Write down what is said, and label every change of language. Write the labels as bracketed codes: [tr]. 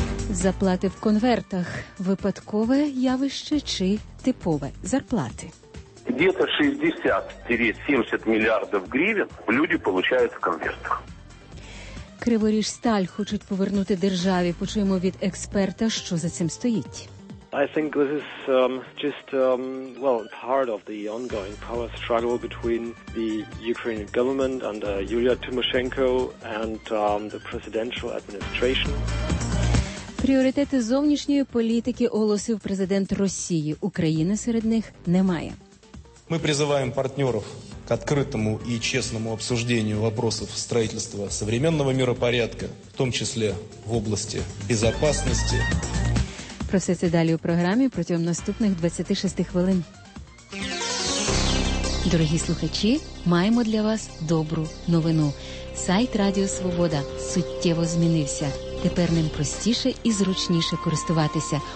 [uk] Заплати в конвертах – випадкове явище чи типове? Зарплати. Десь 60-70 мільярдів гривень люди отримують в конвертах. Криворіжсталь хочуть повернути державі. Почуємо від експерта, що за цим стоїть. [en] I think this is part of the ongoing power struggle between the Ukrainian government under Yulia Tymoshenko and the presidential administration. [uk] Пріоритети зовнішньої політики оголосив президент Росії. України серед них немає. Ми призиваємо партнерів [ru] к открытому и честному обсуждению вопросов строительства современного миропорядка, в том числе в области безопасности. [uk] Про все це далі у програмі протягом наступних 26 хвилин. Дорогі слухачі, маємо для вас добру новину. Сайт Радіо Свобода суттєво змінився. Тепер ним простіше і зручніше користуватися.